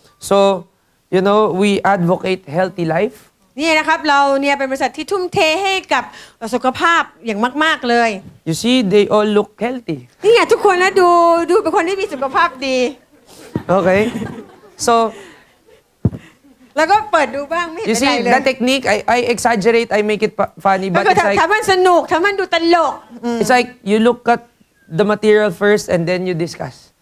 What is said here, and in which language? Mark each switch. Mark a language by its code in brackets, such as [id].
[en] So, you know, we advocate healthy life. [th] นี่นะครับเราเนี่ยเป็นบริษัทที่ทุ่มเทให้กับสุขภาพอย่างมากๆเลย [en] You see they all look healthy. [th] นี่ไงทุกคนนะดูเป็นคนที่มีสุขภาพดี [en] Okay. So [th] แล้วก็เปิดดูบ้างไม่เห็นอะไรเลย [en] You see the technique I exaggerate I make it funny but it's like [th] ทำให้สนุกทำให้ดูตลก [en] It's like you look at the material first and then you discuss.